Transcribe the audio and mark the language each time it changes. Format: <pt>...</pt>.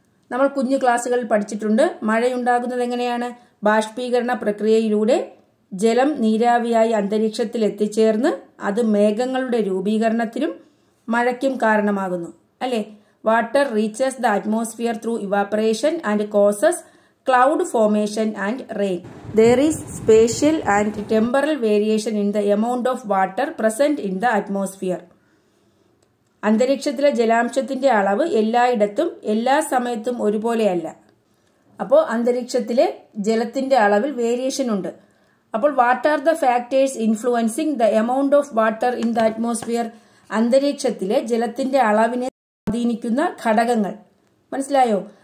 <ml>നമ്മൾ കുഞ്ഞു ക്ലാസ്സുകളിൽ പഠിച്ചിട്ടുണ്ട് മഴയുണ്ടാകുന്നത് എങ്ങനെയാണ്. ബാഷ്പീകരണ പ്രക്രിയയിലൂടെ ജലം നീരാവിയായി അന്തരീക്ഷത്തിൽ എത്തിച്ചേർന്ന് അത് മേഘങ്ങളുടെ രൂപീകരണത്തിനും മഴയ്ക്കും കാരണമാകുന്നു അല്ലേ.</ml> <en>Water reaches the atmosphere through evaporation and causes cloud formation and rain. There is spatial and temporal variation in the amount of water present in the atmosphere.</en> <ml>അന്തരീക്ഷത്തിലെ ജലാംശത്തിന്റെ അളവ് എല്ലായിടത്തും എല്ലാ സമയത്തും ഒരുപോലെയല്ല. അപ്പോൾ അന്തരീക്ഷത്തിലെ ജലത്തിന്റെ അളവിൽ വേരിയേഷൻ ഉണ്ട്. അപ്പോൾ</ml> <en>What are the factors influencing the amount of water in the atmosphere?</en> <ml>അന്തരീക്ഷത്തിലെ ജലത്തിന്റെ അളവിനെ സ്വാധീനിക്കുന്ന ഘടകങ്ങൾ മനസ്സിലായോ?</ml>